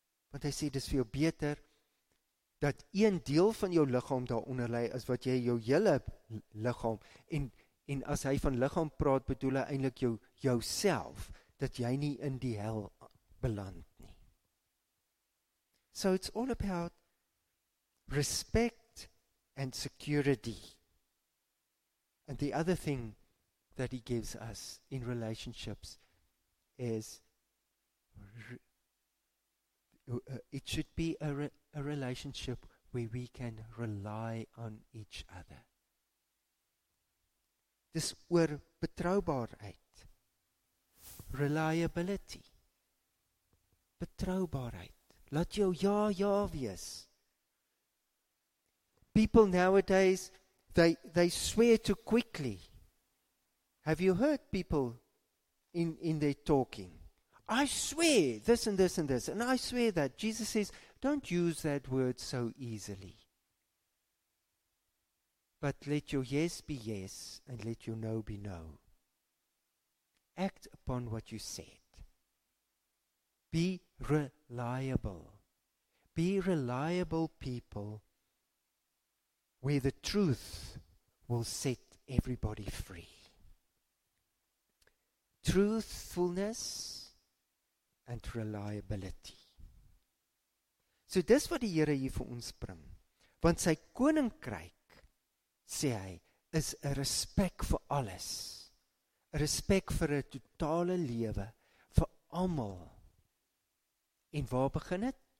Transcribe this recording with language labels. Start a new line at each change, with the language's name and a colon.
Afrikaans: Want hy sê dis vir jou beter dat een deel van jou liggaam daaronder lê as wat jy jou hele liggaam en as hy van liggaam praat, bedoel hy eintlik jouself, dat jy nie in die hel beland nie.
English: So it's all about respect and security. And the other thing that he gives us in relationships is it should be a relationship where we can rely on each other.
Afrikaans: Dis oor betroubaarheid.
English: Reliability.
Afrikaans: Betroubaarheid. Laat jou ja wees.
English: People nowadays, they swear too quickly. Have you heard people in their talking? I swear this and this and this, and I swear that. Jesus says, don't use that word so easily. But let your yes be yes, and let your no be no. Act upon what you said. Be reliable. Be reliable people where the truth will set everybody free. Truthfulness and reliability.
Afrikaans: So dis wat die Here hier vir ons bring. Want sy koninkryk, sê hy, is 'n respek vir alles. A respek vir 'n totale lewe, vir almal. En waar begin het?